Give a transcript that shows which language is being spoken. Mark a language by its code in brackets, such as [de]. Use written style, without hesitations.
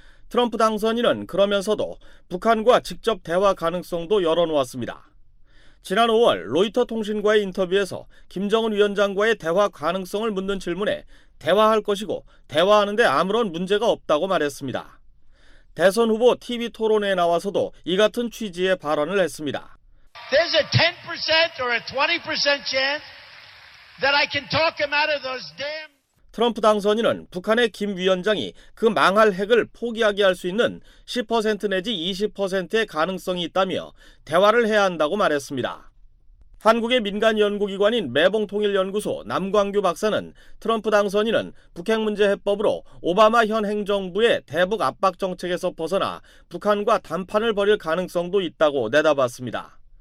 [ko] 트럼프 당선인은 그러면서도 북한과 직접 대화 가능성도 열어놓았습니다. 지난 5월 로이터 통신과의 인터뷰에서 김정은 위원장과의 대화 가능성을 묻는 질문에 대화할 것이고 대화하는데 아무런 문제가 없다고 말했습니다. 대선 후보 TV 토론회에 나와서도 이 같은 취지의 발언을 했습니다. [en] There's a 10% or a 20% chance that I can talk him out of those damn [ko] 트럼프 당선인은 북한의 김 위원장이 그 망할 핵을 포기하게 할 수 있는 10% 내지 20%의 가능성이 있다며 대화를 해야 한다고 말했습니다. 한국의 민간 연구기관인 매봉통일연구소 남광규 박사는 트럼프 당선인은 북핵 문제 해법으로 오바마 현 행정부의 대북 압박 정책에서 벗어나 북한과 담판을 벌일 가능성도 있다고 내다봤습니다.